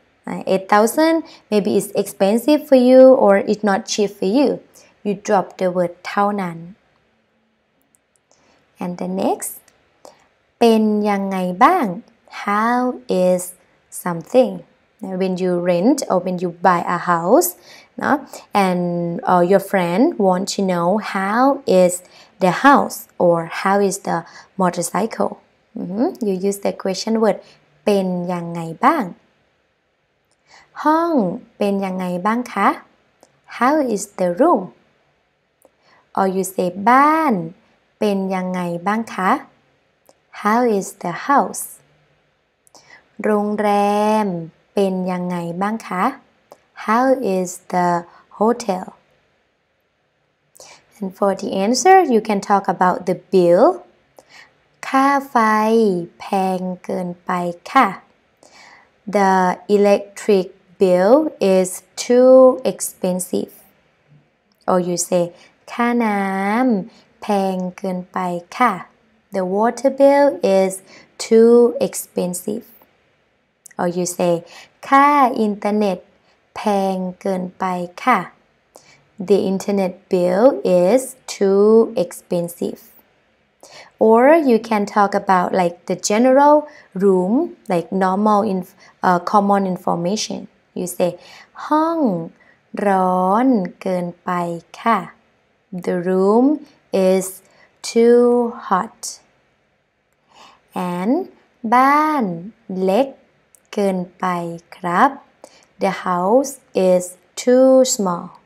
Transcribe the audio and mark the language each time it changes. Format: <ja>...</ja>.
<en>8,000, maybe it's expensive for you or it's not cheap for you. You drop the word เท่านั้น And the next,</en> <th>เป็นยังไงบ้าง</th> <en>How is something? When you rent or when you buy a house, no? And your friend wants to know how is the house or how is the motorcycle. You use the question word,</en> <th>เป็นยังไงบ้าง? ห้องเป็นยังไงบ้างคะ?</th> <en>How is the room? Or you say,</en> <th>บ้านเป็นยังไงบ้างคะ?</th> <en>How is the house?</en> <th>โรงแรมเป็นยังไงบ้างคะ</th> <en>How is the hotel? And for the answer, you can talk about the bill.</en> <th>ค่าไฟแพงเกินไปค่ะ</th> <en>The electric bill is too expensive. Or you say,</en> <th>ค่าน้ำแพงเกินไปค่ะ</th> <en>The water bill is too expensive. Or you say,</en> <th>ค่าอินเทอร์เน็ตแพงเกินไปค่ะ</th> <en>The internet bill is too expensive. Or you can talk about like the general room, like normal common information. You say,</en> <th>ห้องร้อนเกินไปค่ะ</th> <en>The room is too hot. And</en> <th>บ้านเล็กเกินไปครับ</th> <en>The house is too small.</en>